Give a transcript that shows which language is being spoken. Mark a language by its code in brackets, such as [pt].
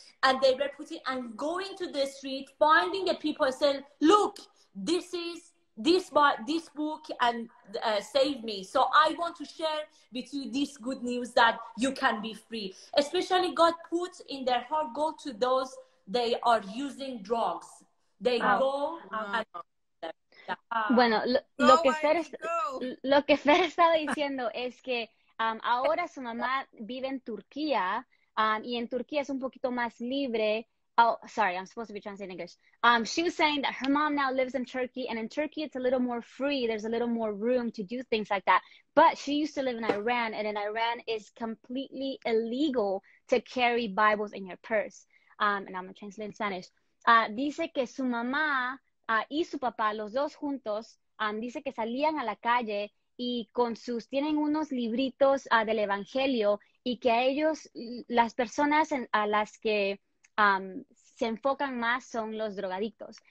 [en] And they were putting and going to the street, finding the people and saying, look, this book and save me. So I want to share with you this good news that you can be free. Especially God puts in their heart, go to those they are using drugs. They go. And [es] bueno, lo que Fer estaba diciendo es que ahora su mamá vive en Turquía y en Turquía es un poquito más libre [en] Oh, sorry, I'm supposed to be translating English. She was saying that her mom now lives in Turkey, and in Turkey it's a little more free. There's a little more room to do things like that. But she used to live in Iran, and in Iran it's completely illegal to carry Bibles in your purse. And I'm gonna translate in Spanish. [es] Dice que su mamá, y su papá, los dos juntos, dice que salían a la calle y con sus, tienen unos libritos, del Evangelio, y que a ellos, las personas en, a las que se enfocan más son los drogadictos.